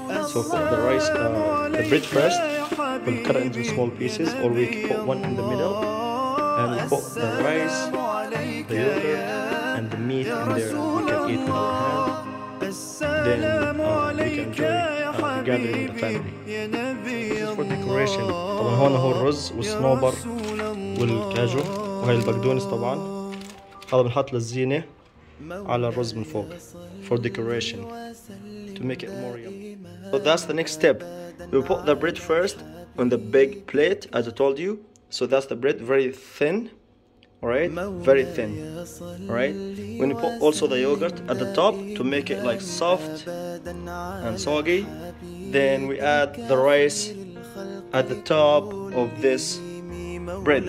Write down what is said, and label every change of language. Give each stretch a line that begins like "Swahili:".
English: So put the rice, the bread first. We'll cut it into small pieces, or we can put one in the middle, and we'll put the rice, the yogurt, and the meat in there. We can eat with our hand. Then we can enjoy gathering with the family. This is for decoration.
Arabic: طبعا هون هو الرز والصنوبر والكاجو وهي البقدونس طبعا. هذا بنحط للزينة على الرز من فوق.
English: For decoration. To make it more yummy. So that's the next step. We put the bread first on the big plate, as I told you. So that's the bread, very thin. Alright? Very thin. Alright? When you put also the yogurt at the top to make it like soft and soggy, then we add the rice at the top of this bread.